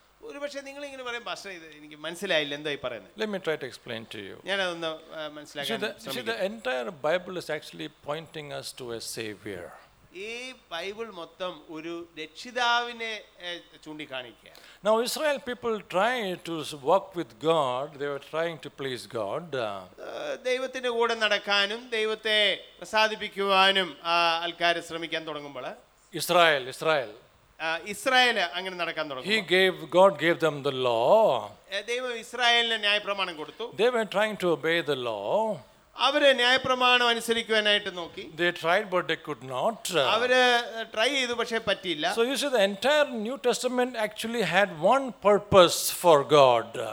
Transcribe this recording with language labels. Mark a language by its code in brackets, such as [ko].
[ml] ഒരു പക്ഷേ നിങ്ങൾ ഇങ്ങനെ പറയും, പക്ഷേ ഇത് എനിക്ക് മനസ്സിലായില്ല, എന്തായി പറയുന്നത്? [en] Let me try to explain to you. [ml] ഞാൻ അതൊന്ന് മനസ്സിലാക്കാം. [en] See, the entire Bible is actually pointing us to a savior. [ml] ഈ ബൈബിൾ മൊത്തം ഒരു രക്ഷിതാവിനെ ചൂണ്ടിക്കാണിക്കുകയാണ്. [en] Now Israel people tried to walk with God. They were trying to please God. [ml] ദൈവത്തിന്റെ കൂടെ നടക്കാനും ദൈവത്തെ പ്രസാദിപ്പിക്കുവാനും ആൾക്കാരെ ശ്രമിക്കാൻ തുടങ്ങുമ്പോൾ [en] Israel [ml] ഇസ്രായേൽ അങ്ങനെ നടക്കാൻ തുടങ്ങി. [en] God gave them the law. [ml] ദൈവം ഇസ്രായേലിന് ന്യായ പ്രമാണം കൊടുത്തു. [en] They were trying to obey the law. [ml] അവര് ന്യായ പ്രമാണം അനുസരിക്കുവാനായിട്ട് നോക്കി. [en] They tried but they could not. [ml] അവര് ട്രൈ ചെയ്തു പക്ഷേ പറ്റിയില്ല. [en] So you see, the entire New Testament actually had one purpose for God.